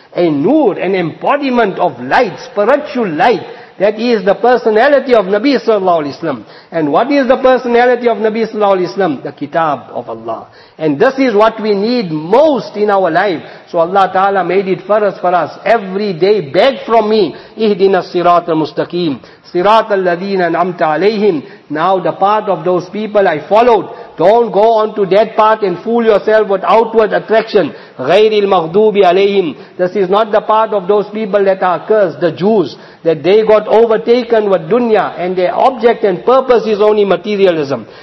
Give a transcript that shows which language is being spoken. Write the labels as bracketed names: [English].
[English] A nur, an embodiment of light, spiritual light. That is the personality of Nabi Sallallahu Alaihi Wasallam. And what is the personality of Nabi Sallallahu Alaihi Wasallam? The Kitab of Allah. And this is what we need most in our life. So Allah Ta'ala made it for us. Every day, beg from me, [Arabic] اِهْدِنَا الصِّرَاطَ الْمُسْتَقِيمِ صِرَاطَ الَّذِينَ نَعْمْتَ عَلَيْهِمْ. [English] Now the path of those people I followed. Don't go on to that path and fool yourself with outward attraction. [Arabic] غَيْرِ الْمَغْدُوبِ عَلَيْهِمْ. [English] This is not the path of those people that are cursed, the Jews, that they got overtaken with dunya and their object and purpose is only materialism.